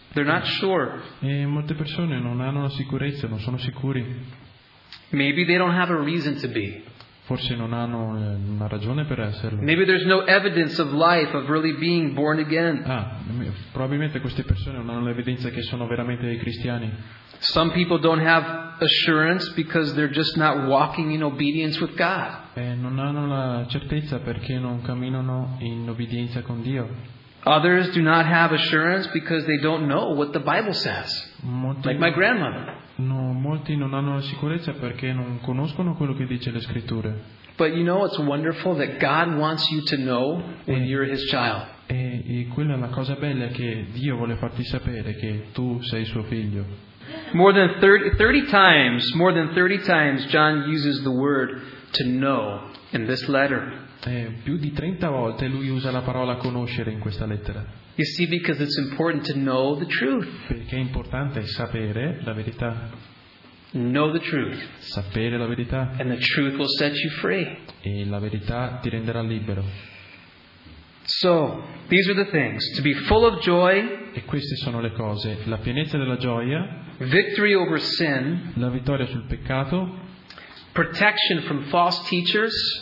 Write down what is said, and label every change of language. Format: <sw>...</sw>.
<en>They're not sure.</en> <it>E molte persone non hanno la sicurezza, non sono sicuri.</it> <en>Maybe they don't have a reason to be.</en> <it>Forse non hanno una ragione per esserlo.</it> <en>Maybe there's no evidence of life, of really being born again.</en> <it>Ah, probabilmente queste persone non hanno l'evidenza che sono veramente dei cristiani.</it> <en>Some people don't have assurance because they're just not walking in obedience with God.</en> <it>Non hanno la certezza perché non camminano in obbedienza con Dio.</it> <en>Others do not have assurance because they don't know what the Bible says. Like my grandmother.</en> <it>No, molti non hanno la sicurezza perché non conoscono quello che dice le scritture.</it> <en>But you know, it's wonderful that God wants you to know when you're his child.</en> <it>E quella è la cosa bella, che Dio vuole farti sapere che tu sei suo figlio.</it> <en>More than 30 times John uses the word to know in this letter.</en> <it>Più di 30 volte lui usa la parola conoscere in questa lettera.</it> <en>You see, because it's important to know the truth.</en> <it>Perché è importante sapere la verità.</it> <en>Know the truth.</en> <it>Sapere la verità.</it> <en>And the truth will set you free.</en> <it>E la verità ti renderà libero.</it> <en>So, these are the things. To be full of joy.</en> <it>E queste sono le cose. La pienezza della gioia.</it> <en>Victory over sin.</en> <it>La vittoria sul peccato.</it> <en>Protection from false teachers.</en>